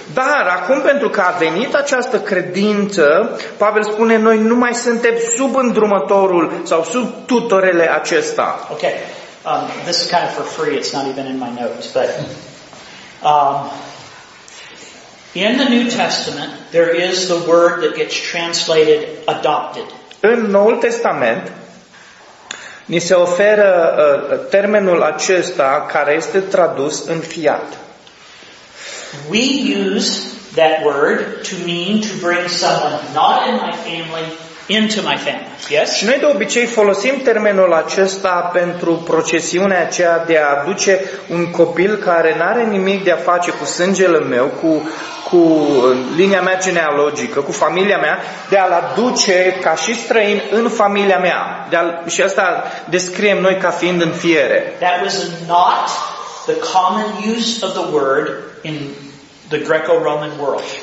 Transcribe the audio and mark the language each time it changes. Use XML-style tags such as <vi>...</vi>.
<ro>Dar acum, pentru că a venit această credință, Pavel spune, noi nu mai suntem sub îndrumătorul sau sub tutorele acesta.</ro> <en>Okay. This is kind of for free. It's not even in my notes, but in the New Testament, there is the word that gets translated adopted.</en> <ro>În Noul Testament ni se oferă termenul acesta care este tradus în fiat.</ro> <en>We use that word to mean to bring someone not in my family into my family. Yes?</en> <ro>Și noi de obicei folosim termenul acesta pentru procesiunea aceea de a aduce un copil care n-are nimic de a face cu sângele meu, cu linia mea genealogică, cu familia mea, de a-l aduce ca și străin în familia mea. Și asta descriem noi ca fiind în fiere.</ro> <en>That was not the common use of the word in the Greco-Roman world.</en>